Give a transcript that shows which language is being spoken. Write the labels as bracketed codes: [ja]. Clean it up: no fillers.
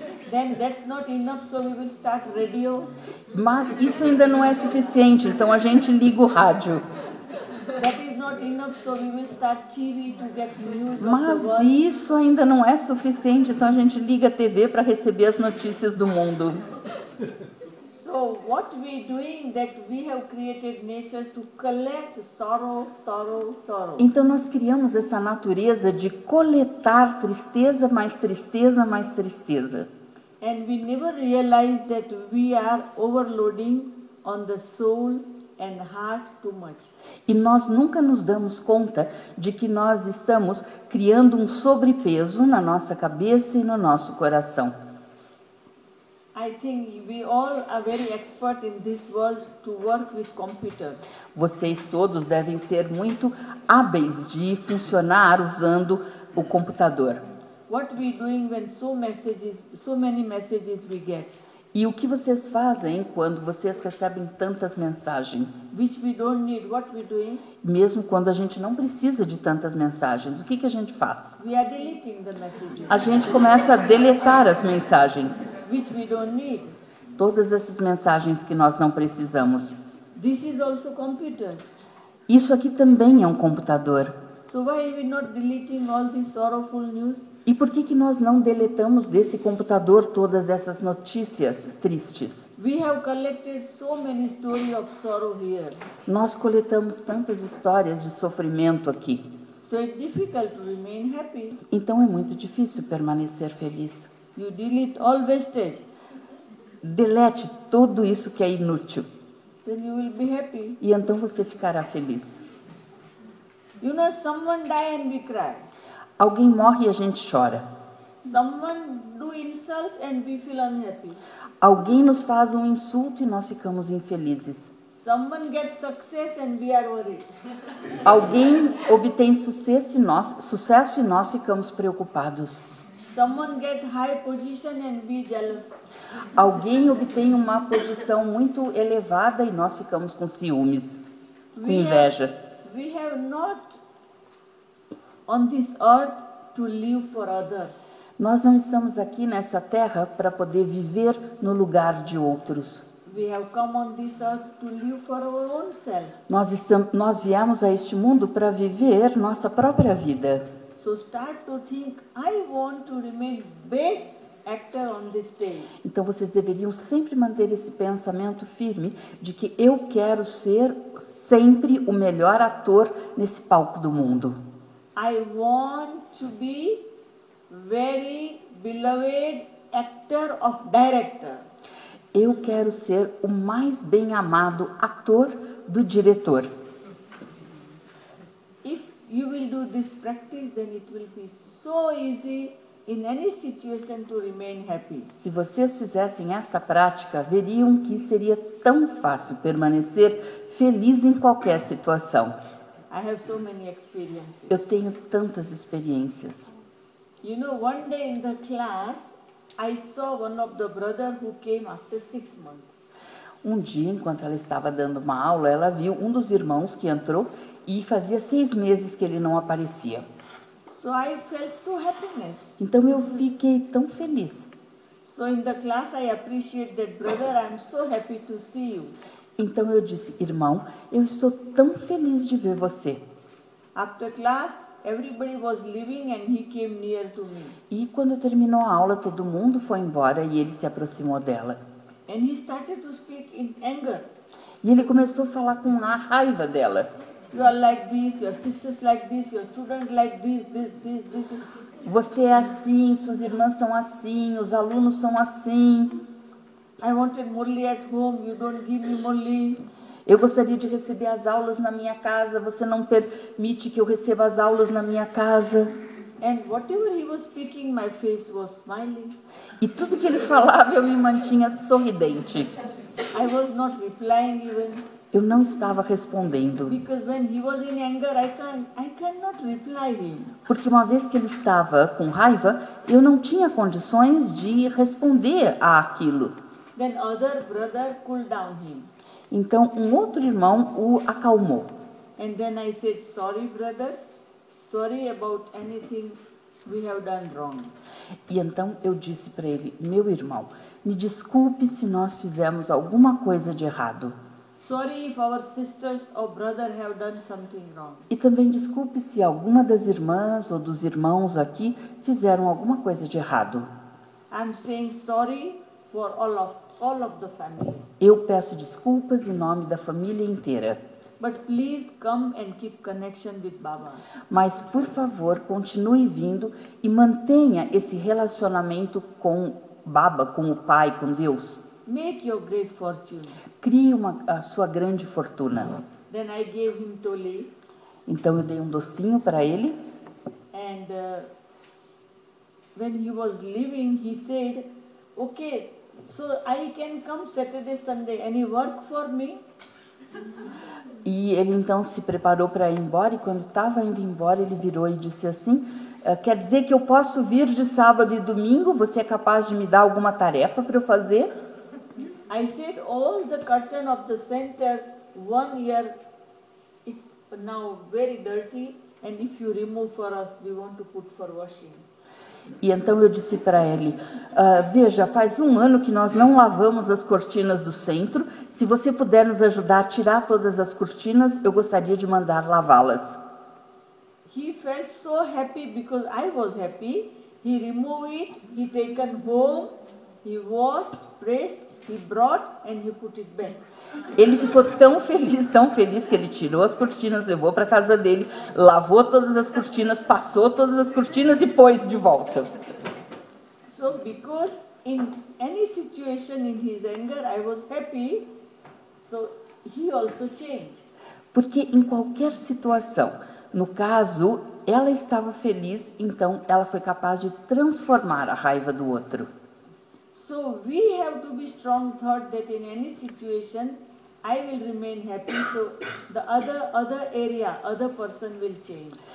[en] Then that's not enough, so we will start radio. [pt] Mas isso ainda não é suficiente, então a gente liga o rádio. [en] That is not enough, so we will start TV to get news. [pt] Mas [en] of the world. [pt] Isso ainda não é suficiente, então a gente liga a TV para receber as notícias do mundo. [en] So So what we doing that we have created nature to collect sorrow, sorrow, sorrow. [pt] Então nós criamos essa natureza de coletar tristeza, mais tristeza, mais tristeza. [en] And we never realize that we are overloading on the soul and heart too much. [pt] E nós nunca nos damos conta de que nós estamos criando um sobrepeso na nossa cabeça e no nosso coração. [en] I think we all are very expert in this world to work with computer. [pt] Vocês todos devem ser muito hábeis de funcionar usando o computador. [en] What we doing when so many messages we get? [pt] E o que vocês fazem quando vocês recebem tantas mensagens? [en] Which we don't need, what we doing? [pt] Mesmo quando a gente não precisa de tantas mensagens, o que que a gente faz? [en] We are deleting the messages. [pt] A gente começa a deletar as mensagens. [en] Which we don't need. [pt] Todas essas mensagens que nós não precisamos. [en] This is also computer. [pt] Isso aqui também é um computador. [en] So why are we not deleting all this sorrowful news? [pt] E por que que nós não deletamos desse computador todas essas notícias tristes? [en] We have collected so many stories of sorrow here. [pt] Nós coletamos tantas histórias de sofrimento aqui. [en] So it's difficult to remain happy. [pt] Então é muito difícil permanecer feliz. [en] You delete all wastage. [pt] Delete tudo isso que é inútil. [en] Then you will be happy. [pt] E então você ficará feliz. [en] You know, someone die and we cry. [pt] Alguém morre e a gente chora. [en] Someone do insult and we feel unhappy. [pt] Alguém nos faz um insulto e nós ficamos infelizes. [en] Someone gets success and we are worried. [pt] Alguém obtém sucesso e nós ficamos preocupados. [en] Someone get high position and be jealous. [pt] Alguém obtém uma posição muito elevada e nós ficamos com ciúmes, com inveja. [en] We have not on this earth to live for others. [pt] Nós não estamos aqui nessa terra para poder viver no lugar de outros. [en] We have come on this earth to live for our own self. [pt] Nós viemos a este mundo para viver nossa própria vida. [en] So start to think, I want to remain best actor on this stage. [pt] Então vocês deveriam sempre manter esse pensamento firme de que eu quero ser sempre o melhor ator nesse palco do mundo. [en] I want to be very beloved actor of director. [pt] Eu quero ser o mais bem amado ator do diretor. [en] If you will do this practice, then it will be so easy in any situation to remain happy. [pt] Se vocês fizessem esta prática, veriam que seria tão fácil permanecer feliz em qualquer situação. [en] I have so many experiences. [pt] Eu tenho tantas experiências. [en] You know, one day in the class, I saw one of the brother who came after 6 months. [pt] Um dia, enquanto ela estava dando uma aula, ela viu um dos irmãos que entrou e fazia 6 meses que ele não aparecia. [en] So I felt so happiness. [pt] Então eu fiquei tão feliz. [en] So in the class, I appreciate that brother. I'm so happy to see you. [pt] Então eu disse, irmão, eu estou tão feliz de ver você. [en] After class, everybody was leaving and he came near to me. [pt] E quando terminou a aula, todo mundo foi embora e ele se aproximou dela. [en] And he started to speak in anger. [pt] E ele começou a falar com a raiva dela. [en] You are like this, your sisters like this, your students like this, this, this, this. [pt] Você é assim, suas irmãs são assim, os alunos são assim. [en] I wanted Murli at home. You don't give me Murli. [pt] Eu gostaria de receber as aulas na minha casa. Você não permite que eu receba as aulas na minha casa. [en] And whatever he was speaking, my face was smiling. [pt] E tudo que ele falava, eu me mantinha sorridente. [en] I was not replying even. [pt] Eu não estava respondendo. [en] Because when he was in anger, I cannot reply him. [pt] Porque uma vez que ele estava com raiva, eu não tinha condições de responder a aquilo. [en] Then other brother cooled down him. [pt] Então um outro irmão o acalmou. [en] And then I said, sorry brother, sorry about anything we have done wrong. [pt] E então eu disse para ele, meu irmão, me desculpe se nós fizemos alguma coisa de errado. [en] Sorry if our sisters or brother have done something wrong. [pt] E também desculpe se alguma das irmãs ou dos irmãos aqui fizeram alguma coisa de errado. [en] I'm saying sorry for all of them. all of the family. [pt] Eu peço desculpas em nome da família inteira. [en] But please come and keep connection with Baba. [pt] Mas por favor, continue vindo e mantenha esse relacionamento com Baba, com o Pai, com Deus. [en] Make your great fortune. [pt] Crie uma, a sua grande fortuna. [en] Then I gave him tole. [pt] Então eu dei um docinho para ele. [en] And when he was leaving, he said, "Okay, so I can come Saturday, Sunday, and you work for me." [pt] E ele então se preparou para ir embora, e quando estava indo embora, ele virou e disse assim: quer dizer que eu posso vir de sábado e domingo? Você é capaz de me dar alguma tarefa para eu fazer? [en] I said all the curtain of the center one year it's now very dirty and if you remove for us we want to put for washing. [pt] E então eu disse para ele: veja, faz um ano que nós não lavamos as cortinas do centro. Se você puder nos ajudar a tirar todas as cortinas, eu gostaria de mandar lavá-las. [en] He felt so happy because I was happy. He removed it, he taken home, he washed, pressed, he brought and he put it back. [pt] Ele ficou tão feliz que ele tirou as cortinas, levou para casa dele, lavou todas as cortinas, passou todas as cortinas e pôs de volta. [en] So because in any situation in his anger I was happy, so he also changed. [pt] Porque em qualquer situação, no caso, ela estava feliz, então ela foi capaz de transformar a raiva do outro. [en] So we have to be strong thought that in any situation I will remain happy, so the other area, other person will change.